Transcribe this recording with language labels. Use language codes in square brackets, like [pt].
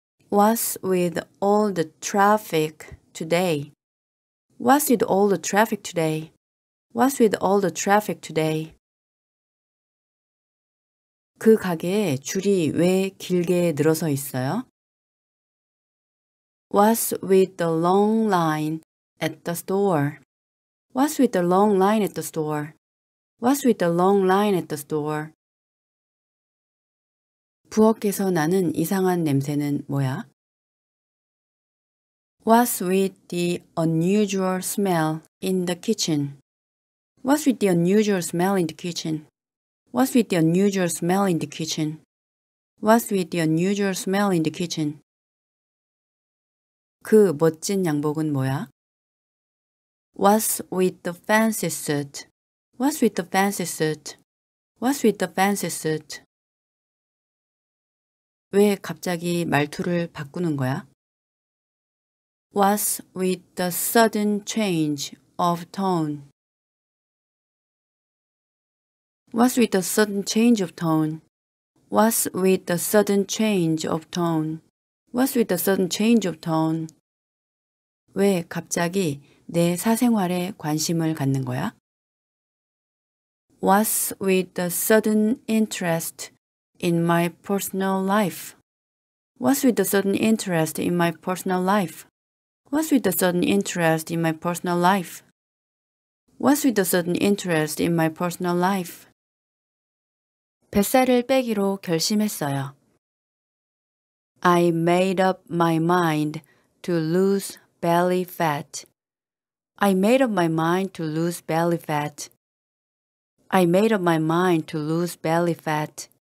[en] What's with all the traffic today? What's with all the traffic today? What's with all the traffic today? [ko] 그 가게에 줄이 왜 길게 늘어서 있어요? [en] What's with the long line at the store? What's with the long line at the store? What's with the long line at the store? [ko] 부엌에서 나는 이상한 냄새는 뭐야? [en] What's with the unusual smell in the kitchen? What's with the unusual smell in the kitchen? What's with the unusual smell in the kitchen? What's with the unusual smell in the kitchen? [ko] 그 멋진 양복은 뭐야? [en] What's with the fancy suit? What's with the fancy suit? What's with the fancy suit? [ko] 왜 갑자기 말투를 바꾸는 거야? [en] What's with the sudden change of tone? What's with the sudden change of tone? What's with the sudden change of tone? What's with the sudden change of tone? [ko] 왜 갑자기 내 사생활에 관심을 갖는 거야? [en] was with the sudden interest in my personal life. Was with the sudden interest in my personal life. Was with the sudden interest in my personal life. Was with the sudden interest in my personal life. [ko] 뱃살을 빼기로 결심했어요. [en] I made up my mind to lose belly fat. I made up my mind to lose belly fat. I made up my mind to lose belly fat.